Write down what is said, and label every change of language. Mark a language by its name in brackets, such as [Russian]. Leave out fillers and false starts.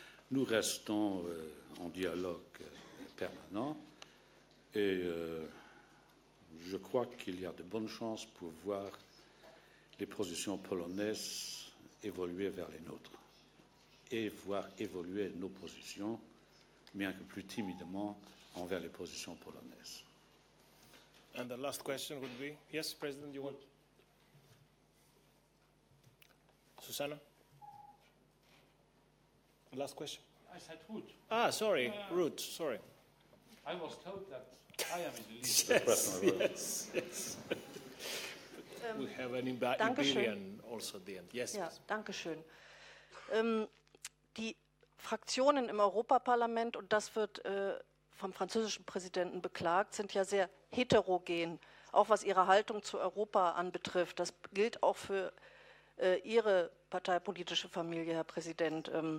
[French] Nous restons en dialogue permanent et je crois qu'il y a de bonnes chances pour voir les positions polonaises évoluer vers les nôtres et voir évoluer nos positions, bien que plus timidement, envers les positions polonaises. [English] And the last question would be, yes, President, you want? Susanna? Last question? I said Ruth. Ah, sorry, Ruth, sorry. I was told that I am in the least. Yes. We have an Iberian also at the end. Yes. [German] Ja, danke schön. Die Fraktionen im Europaparlament, und das wird vom französischen Präsidenten beklagt, sind ja sehr heterogen, auch was ihre Haltung zu Europa anbetrifft. Das gilt auch für Ihre parteipolitische Familie, Herr Präsident.